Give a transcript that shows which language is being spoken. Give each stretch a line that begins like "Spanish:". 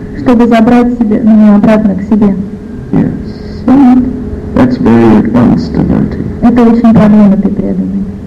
Russian: Чтобы забрать себе, меня обратно к себе.
English: Yes. That's very advanced devotee.
Russian: Это очень продвинутый преданный.